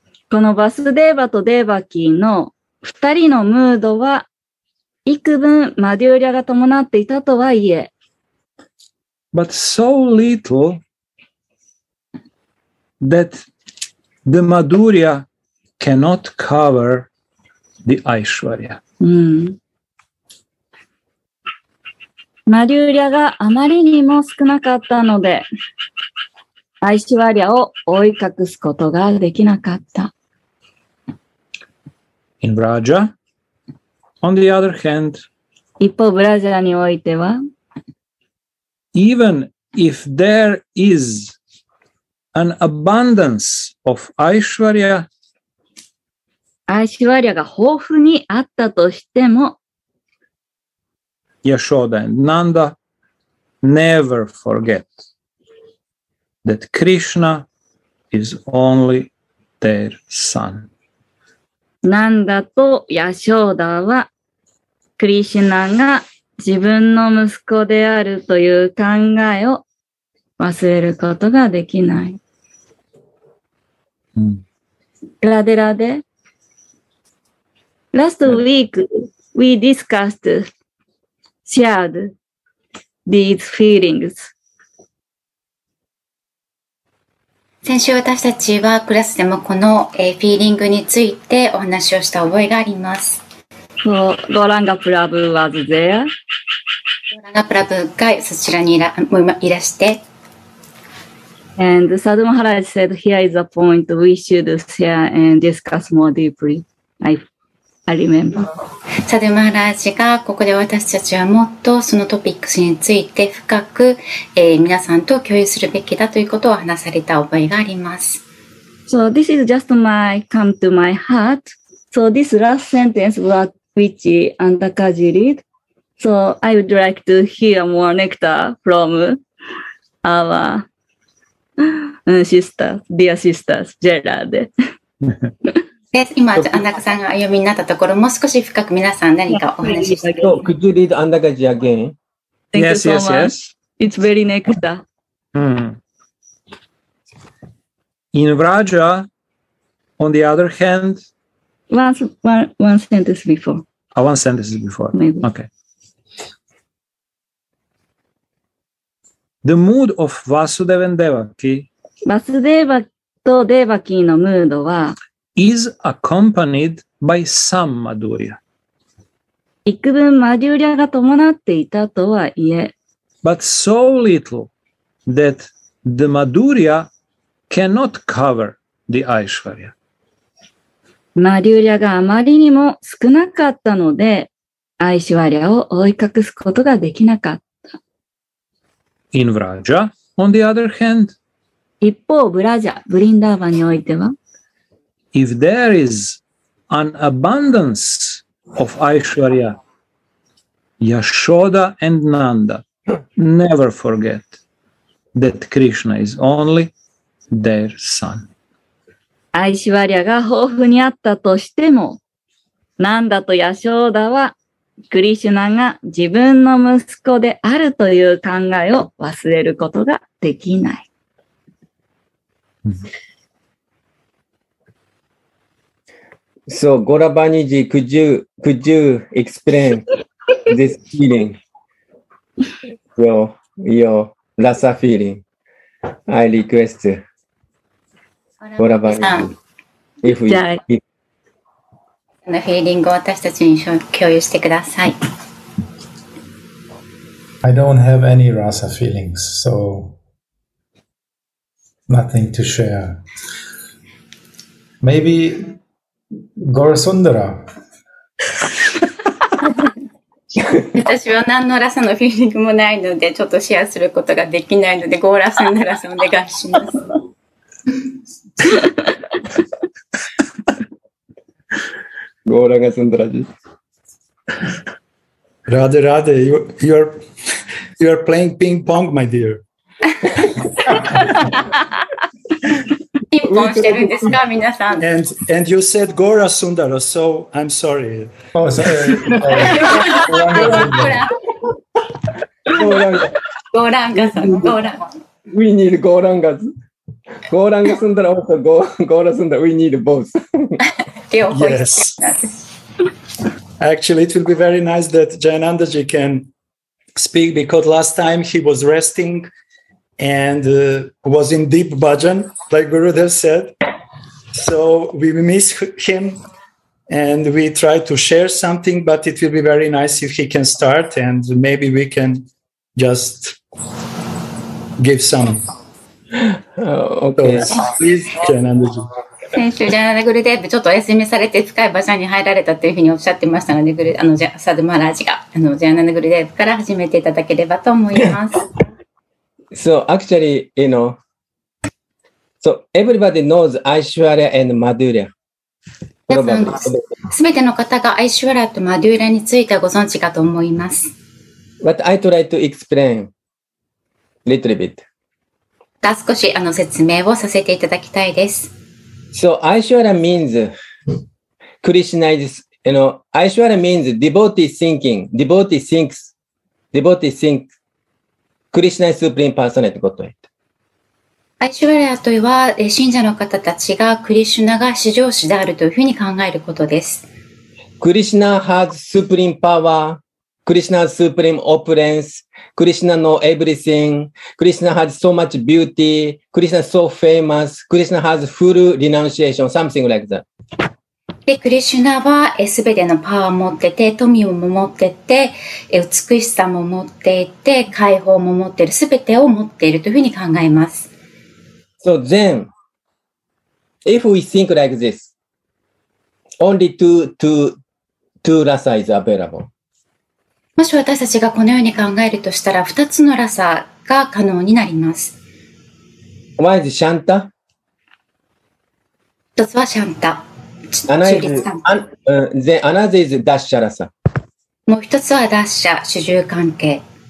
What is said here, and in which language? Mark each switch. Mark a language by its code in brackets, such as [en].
[ja] このバスデーバとデーバキーの二人のムードは幾分マデューリアが伴っていたとはいえ。 [en] But so little that the Madhurya cannot cover the Aishwarya. [ja] マデューリアがあまりにも少なかったので、アイシュワリアを覆い隠すことができなかった。 [en] In Vraja, on the other hand, [ja] 一方、ブラジャにおいては、 [en] even if there is an abundance of Aishwarya, [ja] アイシュワリアが豊富にあったとしても、 [en] Yashoda and Nanda never forget that Krishna is only their son. [ja] Nanda と Yashoda は Krishna が自分の息子であるという考えを忘れることができない。 [en] ラデラデ。Last week we discussed. Shared these feelings. [ja] 先週私たちはクラスでもこのフィーリングについてお話をした覚えがあります。 [en] So, ゴランガプラブ was there. [ja] ゴランガプラブがそちらにいらして。 [en] And Sadhu Maharaj said, here is a point we should share and discuss more deeply. I remember. [ja] サドゥマハラージがここで私たちはもっとそのトピックスについて深く、皆さんと共有するべきだということを話された覚えがあります。 [en] So this is just my come to my heart. So this last sentence which Antakaji read. So I would like to hear more nectar from our sisters, dear sisters, Gerard. [ja] で今アンダカさんが読みになったところも少し深く皆さん何かお話しして [en] 。 Could you read Andakaji again? Thank you so much. Yes. It's very nectar. In Vraja, on the other hand, one sentence before. Ah, one sentence before. Maybe. Okay. The mood of Vasudeva and Devaki. [ja] Vasudeva とデバキのムードは。 [en] Is accompanied by some Madhurya. [ja] 幾分マデューリアが伴っていたとはいえ。 [en] But so little that the Madhurya cannot cover the Aishwarya. [ja] マデューリアがあまりにも少なかったので、アイシュワリアを覆い隠すことができなかった。 [en] In Vraja, on the other hand. [ja] 一方、ブラジャ、ブリンダーバにおいては、 [en] If there is an abundance of Aishwarya, Yashoda and Nanda never forget that Krishna is only their son. [ja] Aishwarya が豊富にあったとしても、Nanda と Yashoda は Krishna が自分の息子であるという考えを忘れることができない。 [en] So, Gorabaniji, could you explain this feeling? Your rasa feeling. I request Gorabaniji. [ja] このフィーリングを私たちに共有してください。 [en] I don't have any rasa feelings, so nothing to share. Maybe. Gorasundara. [ja] 私は何のラサのフィーリングもないので、ちょっとシェアすることができないので、ゴーラサンダラサお願いします。ゴーラガサンダラジ。 [en] ラデラデ、you are playing ping pong, my dear. [ja] ピンポンしてるんですか、皆さん。 [en] And you said ゴーラスンダラ、so I'm sorry. Oh, sorry. [ja] ゴーラン。ゴーランガさん、ゴーラン。 [en] We need ゴーランガズ。ゴーランガスンダラ、also ゴーラスンダラ、we need both. Yes. Actually, it will be very nice that Jayanandaji can speak because last time he was resting. And was in deep bhajan, like Gurudev said. So we miss him and we try to share something, but it will be very nice if he can start and maybe we can just give some. Okay. So, please, Jayanandaji. [ja] 先週、ジャーナルグルデーブ、ちょっとお休みされて深い場所に入られたというふうにおっしゃってましたので、サドマラージが、ジャーナルグルデーブから始めていただければと思います。 [en] So actually, you know, so everybody knows Aishwarya and Madhurya. [ja] すべての方がアイシュワラとマデューラについてご存知かと思います。 [en] But I try to explain a little bit. [ja] 少し説明をさせていただきたいです。 [en] So Aishwarya means Krishna is, you know, Aishwarya means devotee thinking, devotee thinks. クリシュナイスプリームパーソナリティ。 [ja] アイシュワラヤとは、信者の方たちがクリシュナが至上主であるというふうに考えることです。 [en] クリシュナ has supreme power, クリシュナ has supreme opulence, クリシュナ knows everything, クリシュナ has so much beauty, クリシュナ so famous, クリシュナ has full renunciation, something like that. [ja] でクリシュナはすべてのパワーを持ってて富も持ってて美しさも持っていて解放も持っているすべてを持っているというふうに考えます。 [en] So then, if we think like this, only two rasa is available. [ja] もし私たちがこのように考えるとしたら、二つのラサが可能になります。 [en] One is シャンタ。 [ja] 一つはシャンタ。 [en] Another is ダッシャラサ。 [ja] もう一つはダッシャ、主従関係。